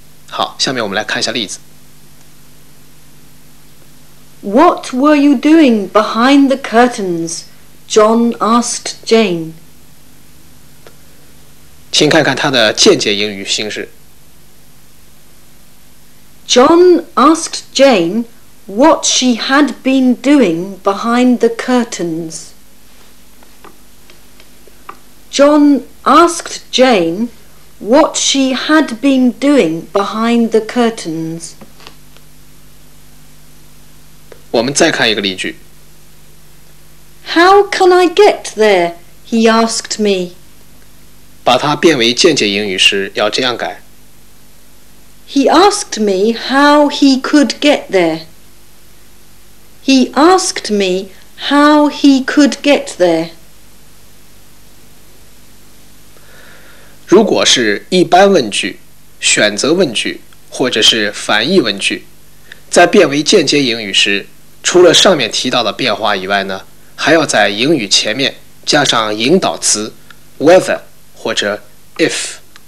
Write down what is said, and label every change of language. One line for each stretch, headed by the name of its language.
Chinese: 好，下面我们来看一下例子。
English: What were you doing behind the curtains? John asked Jane.
Chinese: 请看看它的间接引语形式。
English: John asked Jane what she had been doing behind the curtains. John asked Jane what she had been doing behind the curtains.
Chinese: 我们再看一个例句。
English: How can I get there? He asked me.
Chinese: 把它变为间接引语时要这样改。
English: He asked me how he could get there. He asked me how he could get there.
Chinese: 如果是一般问句、选择问句或者是反义问句，在变为间接引语时除了上面提到的变化以外呢，还要在引语前面加上引导词 whether 或者 if。